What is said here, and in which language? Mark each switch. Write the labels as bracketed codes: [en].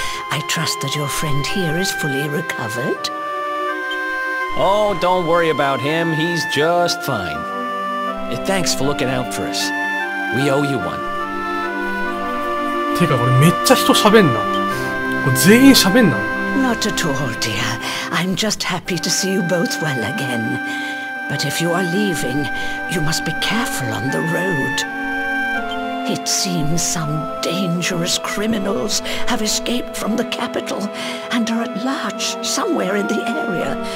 [en] I trust that your friend here is fully recovered. Oh, don't worry about him. He's just fine. Thanks for looking out for us. We owe you one. [ja] てか、これめっちゃ人喋んな。これ全員喋んな。 [en] Not at all, dear. I'm just happy to see you both well again. But if you are leaving, you must be careful on the road. It seems some dangerous criminals have escaped from the capital and are at large somewhere in the area.